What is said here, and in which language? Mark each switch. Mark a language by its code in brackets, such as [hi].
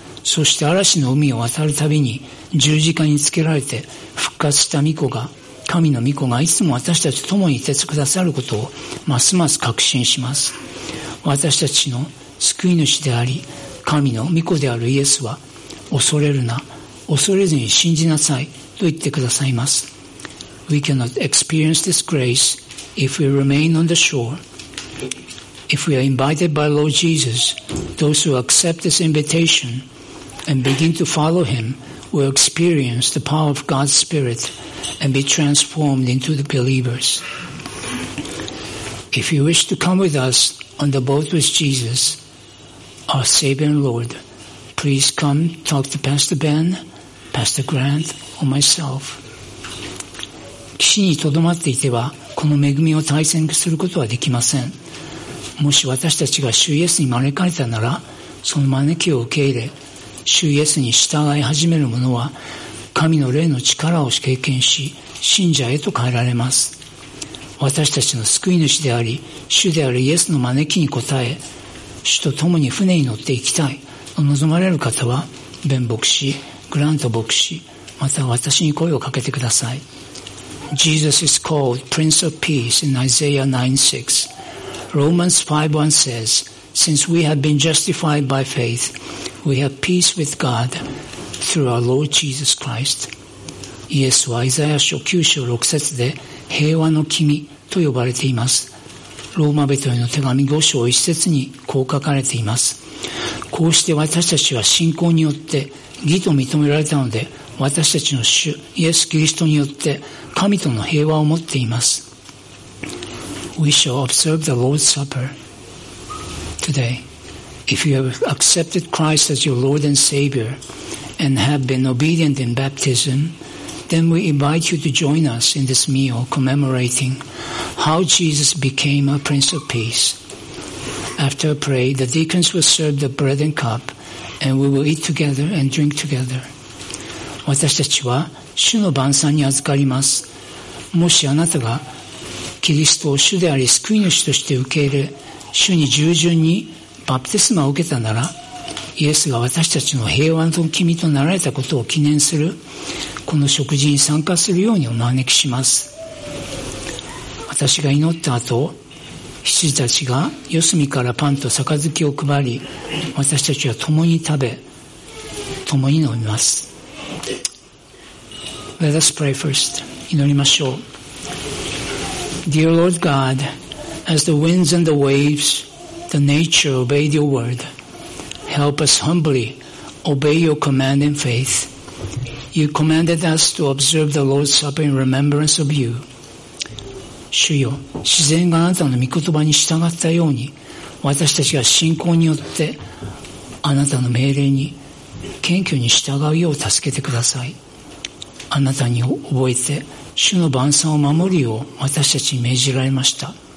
[ja] そして嵐の海を渡るたびに十字架につけられて復活した御子が、神の御子がいつも私たちと共にいてくださることをますます確信します。私たちの救い主であり、神の御子であるイエスは、恐れるな、恐れずに信じなさいと言ってくださいます。 [en] We cannot experience this grace if we remain on the shore. If we are invited by Lord Jesus, those who accept this invitation and begin to follow Him will experience the power of God's Spirit and be transformed into the believers. If you wish to come with us on the boat with Jesus, our Savior and Lord, please come talk to Pastor Ben, Pastor Grant, or myself. [ja] 岸にとどまっていては、この恵みを体験することはできません。もし私たちが主イエスに招かれたなら、その招きを受け入れ、主イエスに従い始める者は、神の霊の力を経験し、信者へと変えられます。私たちの救い主であり、主であるイエスの招きに応え、主と共に船に乗って行きたいと望まれる方は、ベン牧師、グラント牧師、また私に声をかけてください。 [en] Jesus is called Prince of Peace in Isaiah 9:6. Romans 5:1 says, Since we have been justified by faith, we have peace with God through our Lord Jesus Christ. [ja] イエスはイザヤ書9章6節で平和の君と呼ばれています。ローマ人への手紙5章1節にこう書かれています。こうして私たちは信仰によって義と認められたので、私たちの主イエス・キリストによって神との平和を持っています。 [en] We shall observe the Lord's Supper today. If you have accepted Christ as your Lord and Savior and have been obedient in baptism, then we invite you to join us in this meal commemorating how Jesus became a Prince of Peace. After a prayer, the deacons will serve the bread and cup, and we will eat together and drink together. [ja] 私たちは主の晩餐に預かります。もしあなたがキリストを主であり救い主として受け入れ、主に従順にバプテスマを受けたなら、イエスが私たちの平和の君となられたことを記念する、この食事に参加するようにお招きします。私が祈った後、羊たちが四隅からパンと杯を配り、私たちは共に食べ、共に飲みます。 [en] Let us pray first. [ja] 祈りましょう。 [en] Dear Lord God, as the winds and the waves the nature, obey your word. Help us humbly obey your command in faith. You commanded us to observe the Lord's Supper in remembrance of you. [ja] 主よ、自然があなたの御言葉に従ったように、私たちが信仰によってあなたの命令に謙虚に従うよう助けてください。あなたに覚えて主の晩餐を守るよう私たちに命じられました。